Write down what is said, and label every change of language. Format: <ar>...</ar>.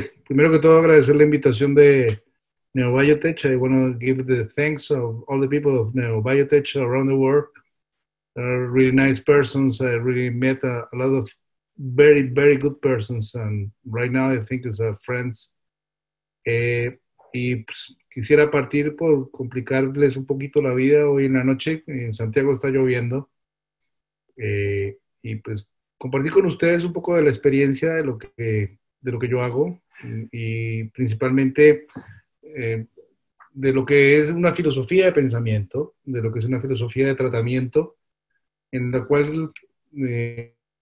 <es>Primero que todo, agradecer la invitación de NeoBiotech.</es> <en>I want to give the thanks of all the people of NeoBiotech around the world. Really nice persons. I really met a lot of very, very good persons. And right now, I think it's friends.</en> <es>Y pues, quisiera partir por complicarles un poquito la vida hoy en la noche. En Santiago está lloviendo. Y pues compartir con ustedes un poco de la experiencia de lo que yo hago. Y principalmente de lo que es una filosofía de pensamiento, de lo que es una filosofía de tratamiento, en la cual me</es>